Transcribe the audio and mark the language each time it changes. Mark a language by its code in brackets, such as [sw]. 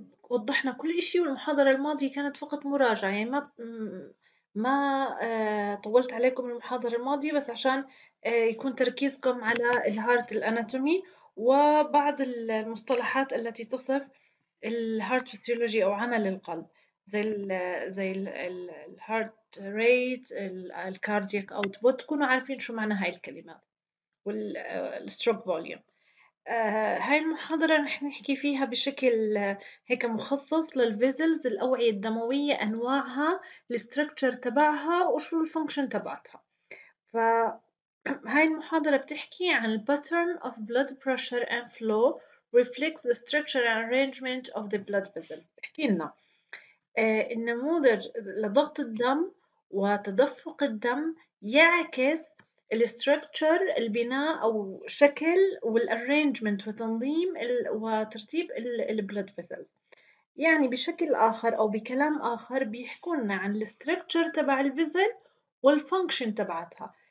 [ar] وضحنا كل شيء، والمحاضرة الماضية كانت فقط مراجعة، يعني ما طولت عليكم المحاضرة الماضية، بس عشان يكون تركيزكم على الهارت الأناتومي وبعض المصطلحات التي تصف الهارت فيسيولوجي أو عمل القلب، زي الهارت ريت، الكاردياك أوتبوت، تكونوا عارفين شو معنى هاي الكلمات، والستروك فوليوم. هاي المحاضرة رح نحكي فيها بشكل هيك مخصص للفيزلز، الأوعية الدموية، أنواعها، الستركتشر تبعها، وشو الفانكشن تبعتها. فهاي المحاضرة بتحكي عن [en] pattern of blood pressure and flow reflects the structure and arrangement of the blood vessel. [ar] بحكي لنا النموذج لضغط الدم وتدفق الدم يعكس الستركتشر، البناء او شكل والارنجمنت وتنظيم وترتيب البلد فيسلز. يعني بشكل اخر او بكلام اخر بيحكوا لنا عن الستركتشر تبع الفيزل والفانكشن تبعتها.